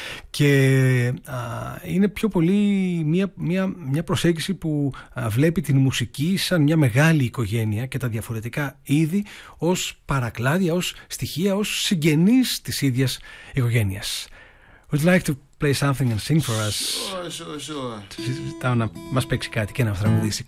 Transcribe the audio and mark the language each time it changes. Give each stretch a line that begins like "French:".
Greek: Και είναι πιο πολύ μια προσέγγιση που βλέπει την μουσική σαν μια μεγάλη οικογένεια και τα διαφορετικά είδη ως παρακλάδια, ως στοιχεία, ως συγγενείς της ίδιας οικογένειας.
English: Would you like to play something and sing for us? Sure.
Greek: Τα να μας παίξει κάτι και να μας τραγουδήσει.